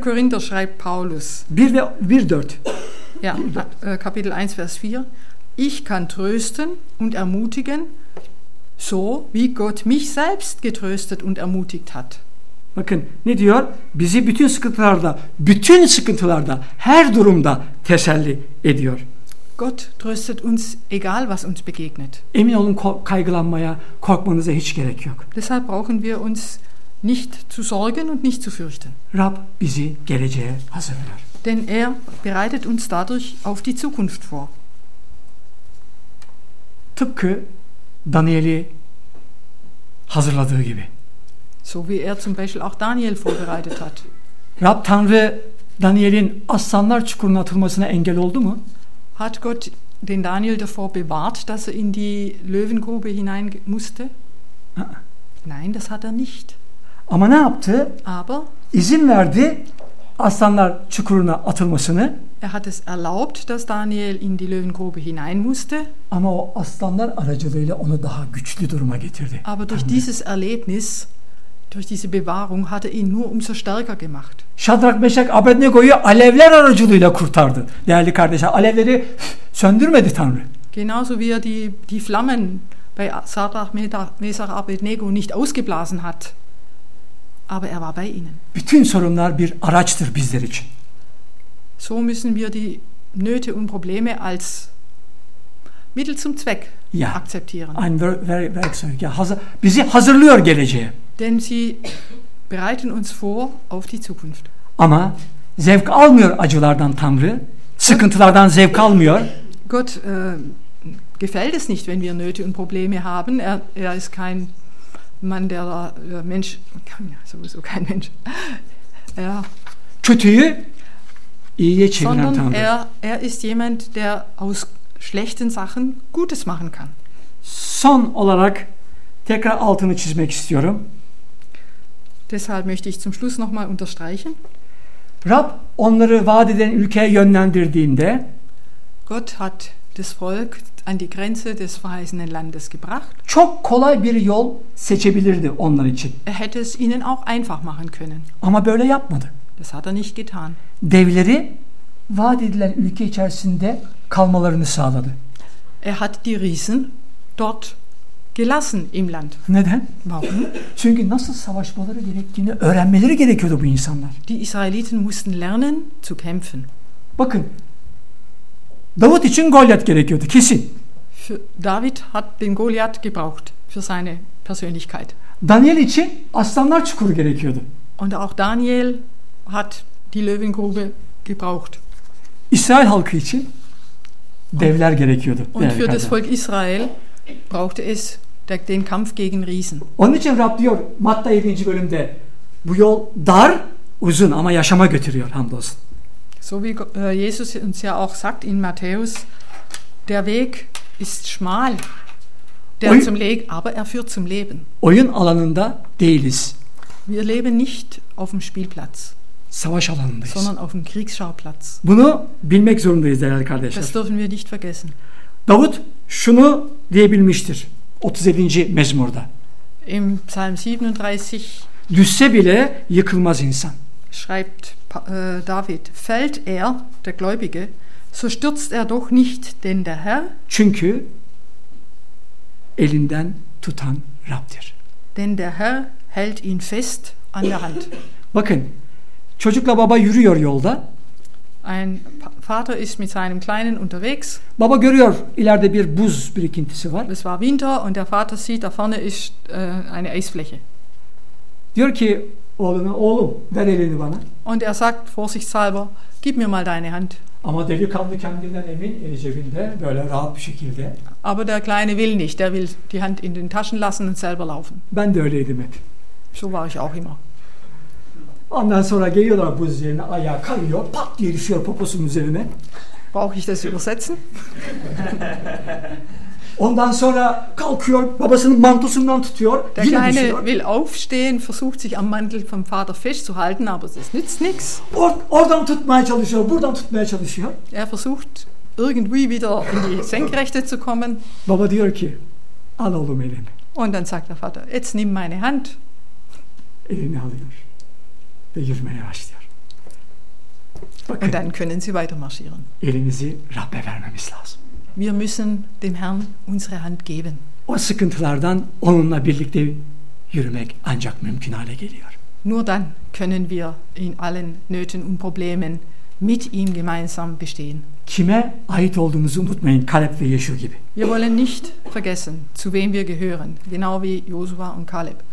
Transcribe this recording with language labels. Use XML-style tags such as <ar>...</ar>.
<de>Korinther schreibt Paulus. 1:4. Ja, Kapitel 1, Vers 4. Ich kann trösten und ermutigen, so wie Gott mich selbst getröstet und ermutigt hat.</de> <tr>Bakın ne diyor? Bizi bütün sıkıntılarda, her durumda teselli ediyor.</tr> <de>Gott tröstet uns, egal was uns begegnet.</de> <tr>Emin olun kaygılanmaya, korkmanıza hiç gerek yok.</tr> <de>Deshalb brauchen wir uns nicht zu sorgen und nicht zu fürchten.</de> <tr>Rab bizi geleceğe hazırlar.</tr> <de>Denn er bereitet uns dadurch auf die Zukunft vor.</de> <tr>Tıpkı Daniel'i hazırladığı gibi.</tr> <de>So wie zum Beispiel auch Daniel vorbereitet hat.</de> <tr>Rab Tanrı Daniel'in aslanlar çukuruna atılmasına engel oldu mu?</tr> <de>Hat Gott den Daniel davor bewahrt, dass er in die Löwengrube hinein musste? Nein, das hat er nicht.</de> <tr>Ama ne yaptı?</tr> <de>Aber</de> <tr>izin verdi aslanlar çukuruna atılmasını.</tr> <de>Er hat es erlaubt, dass Daniel in die Löwengrube hinein musste.</de> <tr>Ama o aslanlar aracılığıyla onu daha güçlü duruma getirdi.</tr> <de>Aber durch dieses Erlebnis, durch diese Bewahrung, hat er ihn nur umso stärker gemacht.</de> <tr>Şadrach, Meşak, Abednego'yu alevler aracılığıyla kurtardı. Değerli kardeşler, alevleri söndürmedi Tanrı.</tr> <de>Genauso wie er die Flammen bei Sadrach, Meşak, Abednego nicht ausgeblasen hat. Aber er war bei ihnen.</de> <tr>Bütün sorunlar bir araçtır bizler için.</tr> <de>So müssen wir die Nöte und Probleme als Mittel zum Zweck akzeptieren. Ein Werkzeug.</de> <tr>Ja, bizi hazırlıyor geleceğe.</tr> <de>Denn sie bereiten uns vor auf die Zukunft.</de> <tr>Ama zevk almıyor acılardan Tanrı, sıkıntılardan zevk almıyor.</tr> <de>Gott gefällt es nicht, wenn wir Nöte und Probleme haben. Er ist kein Mann, der Mensch, sowieso kein Mensch. Ja.</de> <tr>Kötüyü iyiye çeviren Tanrı.</tr> <de>Sondern er ist jemand, der aus schlechten Sachen Gutes machen kann.</de> <tr>Son olarak tekrar altını çizmek istiyorum.</tr> <de>Deshalb möchte ich zum Schluss noch mal unterstreichen.</de> <tr>Rab onları vaat eden ülkeye yönlendirdiğinde,</tr> <de>Gott hat das Volk an die Grenze des verheißenen Landes gebracht.</de> <tr>Çok kolay bir yol seçebilirdi onlar için.</tr> <de>Er hätte es ihnen auch einfach machen können.</de> <tr>Ama böyle yapmadı.</tr> <de>Das hat er nicht getan.</de> <tr>Devleri vaat edilen ülke içerisinde kalmalarını sağladı.</tr> <de>Er hat die Riesen dort gelassen im Land.</de> <tr>Neden?</tr> <de>Warum?</de> <tr>Çünkü nasıl savaşmaları gerektiğini öğrenmeleri gerekiyordu bu insanlar.</tr> <de>Die Israeliten mussten lernen zu kämpfen.</de> <tr>Bakın. Davut için Goliath gerekiyordu kesin.</tr> <de>David hat den Goliath gebraucht für seine Persönlichkeit.</de> <tr>Daniel için aslanlar çukuru gerekiyordu.</tr> <de>Und auch Daniel hat die Löwengrube gebraucht.</de> <tr>İsrail halkı için devler gerekiyordu.</tr> <de>Und für das Volk Israel brauchte es den Kampf gegen Riesen.</de> <tr>Onun için Rab diyor Matta 7. bölümde bu yol dar, uzun ama yaşama götürüyor hamdolsun.</tr> <de>So wie Jesus uns ja auch sagt in Matthäus, der Weg ist schmal, der zum Leben, aber er führt zum Leben.</de> <tr>Oyun alanında değiliz.</tr> <de>Wir leben nicht auf dem Spielplatz.</de> <tr>Savaş alanındayız.</tr> <de>Sondern auf dem Kriegsschauplatz.</de> <tr>Bunu bilmek zorundayız değerli kardeşler.</tr> <de>Das dürfen wir nicht vergessen.</de> <tr>Davut şunu diyebilmiştir 37. mezmurda.</tr> <de>Im Psalm 37.</de> <tr>Düşse bile yıkılmaz insan.</tr> <de>Schreibt David, fällt der Gläubige, so stürzt doch nicht, denn der Herr.</de> <tr>Çünkü elinden tutan Rab'dir.</tr> <de>Denn der Herr hält ihn fest an der Hand.</de> <tr>Bakın, çocukla baba yürüyor yolda.</tr> <de>Ein Vater ist mit seinem Kleinen unterwegs.</de> <tr>Baba görüyor, ileride bir buz birikintisi var.</tr> <de>Es war Winter und der Vater sieht, da vorne ist eine Eisfläche.</de> <tr>Diyor ki oğluna, oğlum ver elini bana.</tr> <de>Und sagt vorsichtshalber, gib mir mal deine Hand.</de> <tr>Ama delikanlı kendinden emin, eli cebinde, böyle rahat bir şekilde.</tr> <de>Aber der Kleine will nicht, der will die Hand in den Taschen lassen und selber laufen.</de> <tr>Ben de öyleydim hep.</tr> <de>So war ich auch immer.</de> <tr>Ondan sonra geliyorlar buz yerine, ayağı kayıyor, pat diye düşüyor poposunun üzerine.</tr> <de>Brauche ich das übersetzen?</de> <tr>Ondan sonra kalkıyor, babasının mantosundan tutuyor,</tr> <de>der</de> <tr>yine</tr> <de>Kleine</de> <tr>düşüyor.</tr> <de>Will aufstehen, versucht sich am Mantel vom Vater festzuhalten, aber es nützt nichts.</de> <tr>Oradan tutmaya çalışıyor, buradan tutmaya çalışıyor.</tr> <de>Versucht irgendwie wieder in die Senkrechte zu kommen.</de> <tr>Baba diyor ki, al oğlum elini.</tr> <de>Und dann sagt der Vater, jetzt nimm meine Hand.</de> <tr>Elini alıyor. Ve yürümeye başlıyor. Bakın,</tr> <de>und dann können sie weiter marschieren.</de> <tr>Elimizi Rab'be vermemiz lazım.</tr> <de>Wir müssen dem Herrn unsere Hand geben.</de> <tr>O sıkıntılardan onunla birlikte yürümek ancak mümkün hale geliyor.</tr> <de>Nur dann können wir in allen Nöten und Problemen mit ihm gemeinsam bestehen.</de> <tr>Kime ait olduğumuzu unutmayın, Kaleb ve Yeşu gibi.</tr> <de>Wir wollen nicht vergessen, zu wem wir gehören, genau wie Josua und Kaleb.</de>